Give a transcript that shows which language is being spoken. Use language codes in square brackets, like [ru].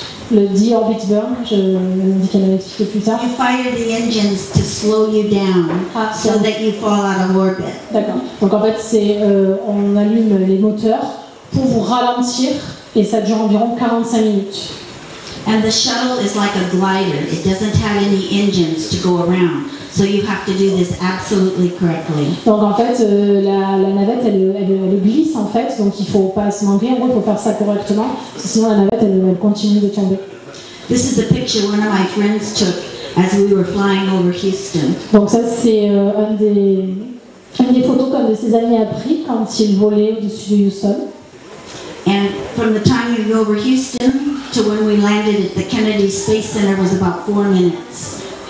[fr] Le deorbit burn, je dis qu'elle va expliquer plus tard. [en] You fire the engines to slow you down so that you fall out of orbit. [fr] D'accord. Donc en fait, c'est on allume les moteurs pour vous ralentir et ça dure environ 45 minutes. [en] And the shuttle is like a glider. It doesn't have any engines to go around. So you have to do this absolutely correctly. [fr] Donc en fait, la navette, elle glisse en fait, donc il faut pas se manquer. En gros, il faut faire ça correctement, sinon la navette, elle continue de tomber. [en] This is a picture one of my friends took as we were flying over Houston. [fr] Donc ça, c'est une des photos qu'un de ses amis a pris quand il volait au-dessus de Houston. [en] And from the time you go over Houston to when we landed at the Kennedy Space Center was about 4 minutes.